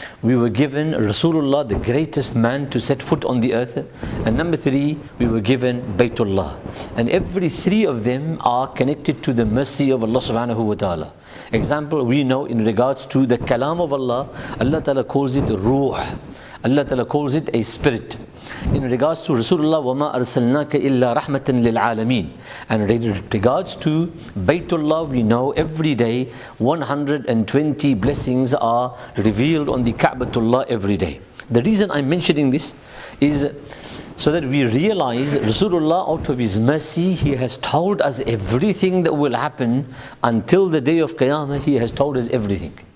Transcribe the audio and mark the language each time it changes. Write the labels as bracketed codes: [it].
[en] We were given Rasulullah, the greatest man to set foot on the earth. And number three, we were given Baytullah. And every three of them are connected to the mercy of Allah subhanahu wa ta'ala. Example, we know in regards to the Kalam of Allah, Allah Ta'ala calls it Ruh. Allah Ta'ala calls it a spirit. In regards to Rasulullah, [ar] وَمَا أَرْسَلْنَاكَ إِلَّا رَحْمَةً لِلْعَالَمِينَ. [en] And in regards to Baytullah, we know every day 120 blessings are revealed on the Ka'batullah every day. The reason I'm mentioning this is so that we realize Rasulullah, out of his mercy, he has told us everything that will happen until the day of Qiyamah. He has told us everything.